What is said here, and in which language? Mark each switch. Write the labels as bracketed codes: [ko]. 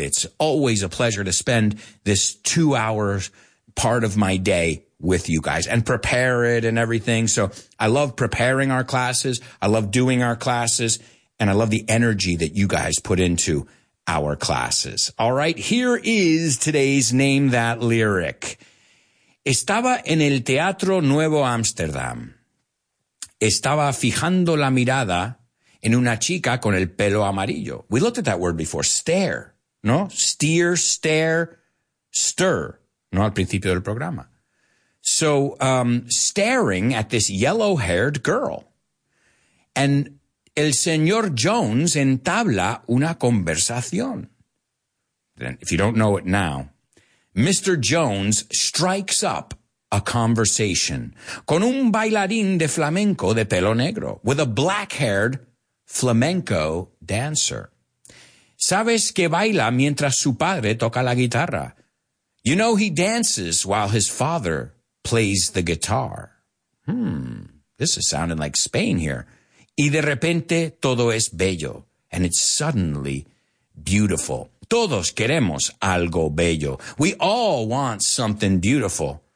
[en] It's always a pleasure to spend this 2 hours part of my day with you guys and prepare it and everything. So I love preparing our classes. I love doing our classes and I love the energy that you guys put into our classes. All right. Here is today's Name That Lyric. [es] Estaba en el Teatro Nuevo Amsterdam. Estaba fijando la mirada en una chica con el pelo amarillo. [en] We looked at that word before, stare, ¿no? Steer, stare, stir, ¿no? [es] Al principio del programa. [en] So, staring at this yellow-haired girl. [es] And el señor Jones entabla una conversación. [en] Then, if you don't know it now, Mr. Jones strikes up a conversation [es] con un bailarín de flamenco de pelo negro, [en] with a black-haired flamenco dancer. [es] ¿Sabes que baila mientras su padre toca la guitarra? [en] You know he dances while his father plays the guitar. This is sounding like Spain here. [es] Y de repente todo es bello, [en] and it's suddenly beautiful. [es] Todos queremos algo bello. [en] We all want something beautiful.